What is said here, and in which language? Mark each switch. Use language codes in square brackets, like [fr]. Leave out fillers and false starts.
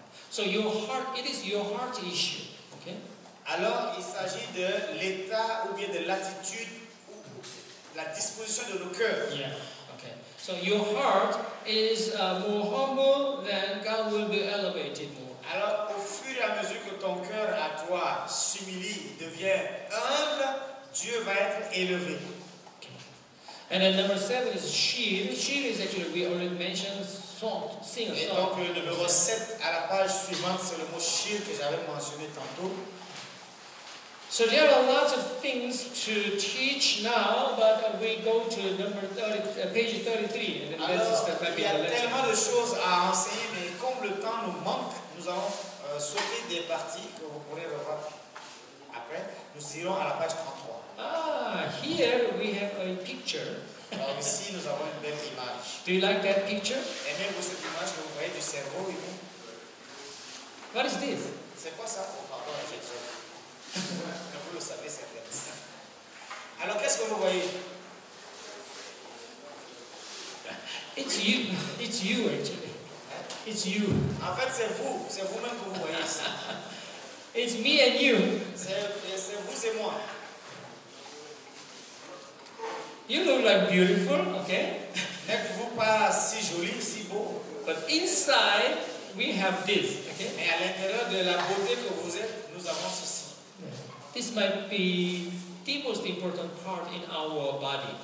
[en] So your heart, it is your heart issue. Okay? [fr] Alors, il s'agit de l'état ou bien de l'attitude ou la disposition de nos cœurs. [en] Yeah. Okay. So your heart is more humble, then God will be elevated more. [fr] Alors, au fur et à mesure que ton cœur à toi s'humilie, devient humble, Dieu va être élevé. [en] And then number 7 is Shiv. Shiv is actually, we already mentioned, song, sing a song. [fr] Et donc le numéro 7 à la page suivante, c'est le mot Shiv que j'avais mentionné tantôt. [en] So there are lots of things to teach now, but we go to number 30, page 33. [fr] Alors, il y a tellement de choses à enseigner, mais comme le temps nous manque, nous allons sauter des parties que vous pourrez revoir après. Nous irons à la page 33. [en] Ah, here we have a picture. [fr] Alors ici, nous avons une belle image. [en] Do you like that picture? [fr] Aimez-vous cette image que vous voyez du cerveau, oui, oui. [en] What is this? [fr] C'est quoi ça? Oh, pardon, j'ai dit. Vous le savez certainement. Alors qu'est-ce que vous voyez? [en] It's you actually. It's you. [fr] En fait, c'est vous-même que vous voyez ça. [en] It's me and you. [fr] C'est vous et moi. [en] You look like beautiful, okay? [fr] N'êtes-vous pas si joli, si beau? [en] But inside we have this, okay? [fr] Mais à l'intérieur de la beauté que vous êtes, nous avons ceci. [en] This might be the most important part in our body.